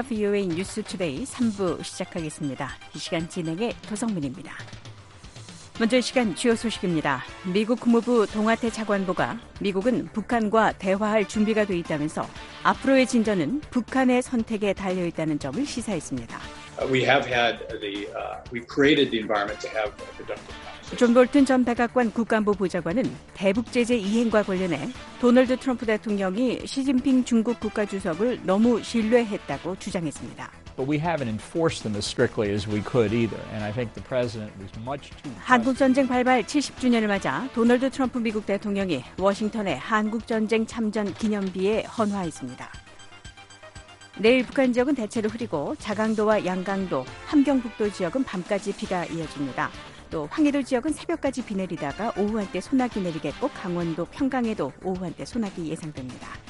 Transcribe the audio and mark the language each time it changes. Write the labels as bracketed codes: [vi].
[ko] VOA 뉴스 투데이 3부 시작하겠습니다. 이 시간 진행의 도성민입니다. 먼저 이 시간 주요 소식입니다. 미국 국무부 동아태 차관보가 미국은 북한과 대화할 준비가 돼 있다면서 앞으로의 진전은 북한의 선택에 달려 있다는 점을 시사했습니다. [en] We have had the we created the environment to have a productive. [ko] 존 볼튼 전 백악관 국가안보 보좌관은 대북 제재 이행과 관련해 도널드 트럼프 대통령이 시진핑 중국 국가주석을 너무 신뢰했다고 주장했습니다. [en] But we haven't enforced them as strictly as we could either. And I think the president was much too. [ko] 한국 전쟁 발발 70주년을 맞아 도널드 트럼프 미국 대통령이 워싱턴에 한국 전쟁 참전 기념비에 헌화했습니다. 내일 북한 지역은 대체로 흐리고 자강도와 양강도, 함경북도 지역은 밤까지 비가 이어집니다. 또 황해도 지역은 새벽까지 비 내리다가 오후 한때 소나기 내리겠고 강원도 평강에도 오후 한때 소나기 예상됩니다.